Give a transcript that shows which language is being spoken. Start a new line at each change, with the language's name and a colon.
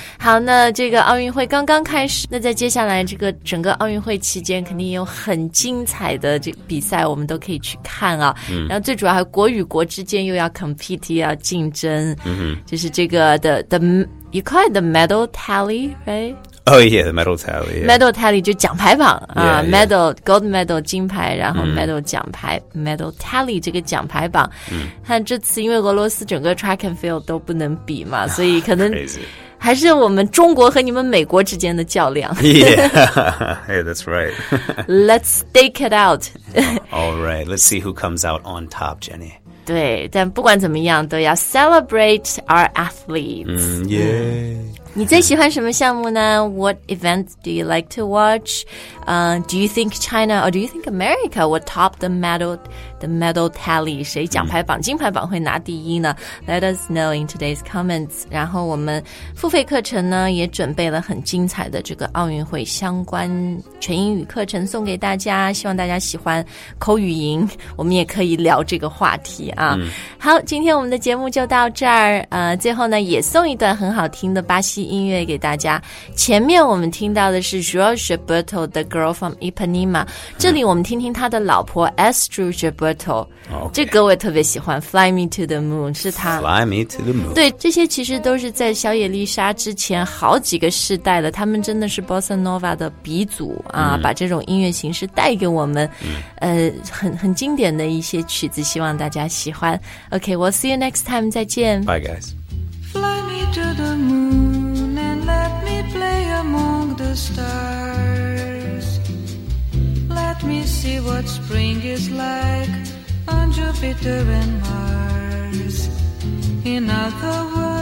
Chinese: 好那这个奥运会刚刚开始那在接下来这个整个奥运会期间肯定有很精彩的这比赛我们都可以去看啊。 Mm-hmm. 然后最主要还国与国之间又要 compete, 要竞争。 Mm-hmm. 就是这个
English: you call it the medal tally, right? Oh yeah, the medal tally.、Yeah.
Chinese: Medal tally 就奖牌榜
English: yeah, yeah.
Chinese: medal gold medal 金牌，然后 medal 奖牌、mm. medal tally 这个奖牌榜。看、mm. 这次因为俄罗斯整个 track and field 都不能比嘛，所以可能还是我们中国和你们美国之间的较量。
English: yeah, hey, that's right. Let's stake it out. All right, let's see who comes out on top, Jenny.
Chinese: 对，但不管怎么样，都要
English: celebrate our athletes.
Chinese: Mm,
English: yeah.
Chinese: 你最喜欢什么项目呢？
English: What events do you like to watch? Do you think China or do you think America will top the medal tally?
Chinese: 谁奖牌榜、金牌榜会拿第一呢？
English: Let us know in today's comments.
Chinese: 然后我们付费课程呢，也准备了很精彩的这个奥运会相关全英语课程送给大家，希望大家喜欢口语营，我们也可以聊这个话题啊。 Mm. 好，今天我们的节目就到这儿。最后呢，也送一段很好听的巴西音乐给大家。前面我们听到的是 George Gilberto 的 Girl from Ipanema， 这里我们听听他的老婆 Astro Gilberto、
English: okay.
Chinese: 这歌我也特别喜欢 Fly Me to the Moon， 是他
English: Fly Me to the Moon，
Chinese: 对，这些其实都是在小野丽莎之前好几个世代的，他们真的是 Bossa Nova 的鼻祖啊、把这种音乐形式带给我们、很经典的一些曲子，希望大家喜欢。
English: OK， we'll see you next time，
Chinese: 再见，
English: Bye guys。 Fly Me to the MoonLet me play among the stars. Let me see what spring is like on Jupiter and Mars. In other words